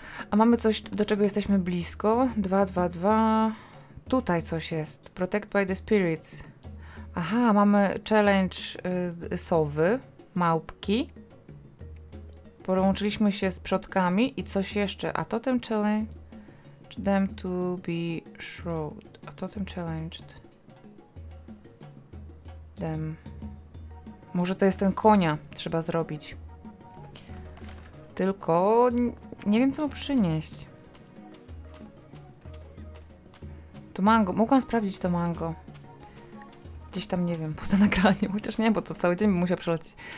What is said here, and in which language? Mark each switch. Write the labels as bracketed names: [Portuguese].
[Polish] A mamy coś, do czego jesteśmy blisko. 2, 2, 2. Tutaj coś jest. [English] Protect by the spirits. [Polish] Aha, mamy challenge sowy, małpki. Połączyliśmy się z przodkami i coś jeszcze. [English] A totem challenge them to be shrewd. A totem challenged them. [Polish] Może to jest ten konia, trzeba zrobić. Tylko nie wiem, co mu przynieść. To mango, mogłam sprawdzić to mango. Gdzieś tam, nie wiem, poza nagraniem, chociaż nie, bo to cały dzień bym musiał przelecieć.